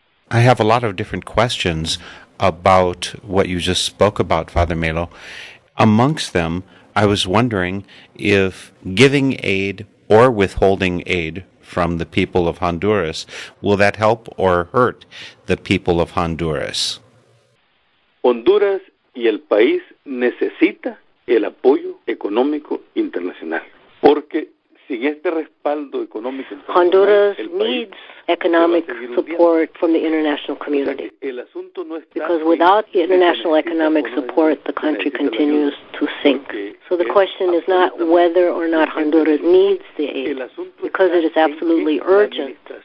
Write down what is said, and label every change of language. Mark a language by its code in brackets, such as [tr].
[en] I have a lot of different questions about what you just spoke about, Father Melo. Amongst them, I was wondering if giving aid or withholding aid from the people of Honduras, will that help or hurt the people of Honduras? [es] Honduras y el país necesita el apoyo económico internacional, porque sin este respaldo económico, [en] Honduras needs economic support from the international community. Because without international economic support, the country continues to sink. So the question is not whether or not Honduras needs the aid, because it is absolutely urgent.